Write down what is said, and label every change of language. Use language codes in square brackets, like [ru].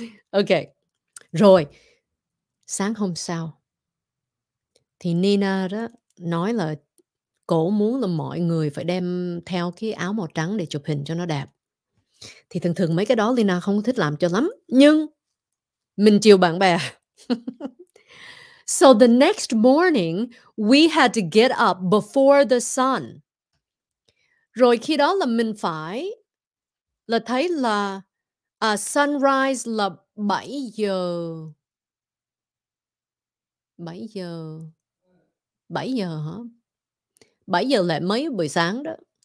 [vi] Ok. Rồi. Sáng hôm sau, thì Nina đó nói là cô muốn là mọi người phải đem theo cái áo màu trắng để chụp hình cho nó đẹp. Thì thường thường mấy cái đó Nina không thích làm cho lắm. Nhưng mình chiều bạn bè. [en] So the next morning, we had to get up before the sun. [vi] Rồi khi đó là mình phải là thấy là sunrise là 7 giờ. 7 giờ. 7 giờ hả? 7 giờ là mấy buổi sáng đó.